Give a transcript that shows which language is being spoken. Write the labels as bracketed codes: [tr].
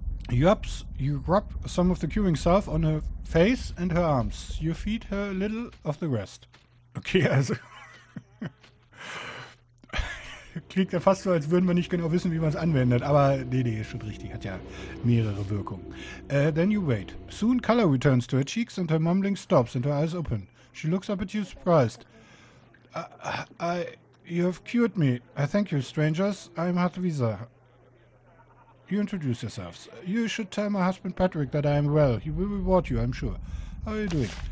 [en] You rub some of the curing salve on her face and her arms. You feed her a little of the rest. [de] Okay, also... Klingt ja fast so, als würden wir nicht genau wissen, wie man es anwendet. Aber nee, ist schon richtig. Hat ja mehrere Wirkungen. [en] Then you wait. Soon color returns to her cheeks and her mumbling stops and her eyes open. She looks up at you surprised. You have cured me. I thank you, strangers. I'm Hartwieser. You introduce yourselves. You should tell my husband Patrick that I am well. He will reward you, I'm sure. How are you doing?